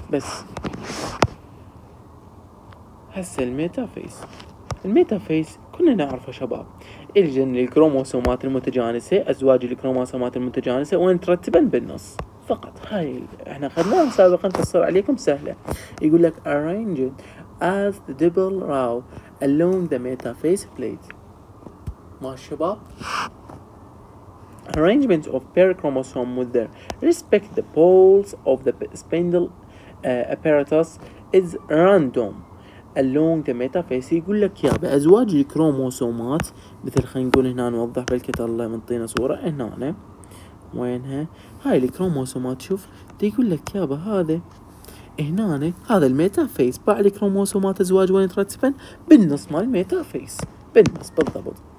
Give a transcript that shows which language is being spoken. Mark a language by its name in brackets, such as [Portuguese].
[Arabic] بس هسه الميتافيز، الميتافيز كنا نعرفه شباب، الجن الكروموسومات المتجانسة، أزواج الكروموسومات المتجانسة وين ترتبن بالنص فقط. هاي احنا خدناها سابقا تصير عليكم سهلة. يقول لك [English] arranged as the double row along the metaphase plate. [Arabic] ما شباب [English] arrangement of pair chromosome with the respect the poles of the spindle apparatus is random along the metaphase. [Arabic] يقول لك يا بأزواج الكروموسومات، مثل خلينا نقول هنا نوضح بالكتاب الله منطينا صورة هنا وينها هاي الكروموسومات. شوف تقول لك يا با هذا هنا هذا الميتافيس، بعد الكروموسومات ازواج وين ترتبن بالنص مال الميتافيس بالنص بالضبط.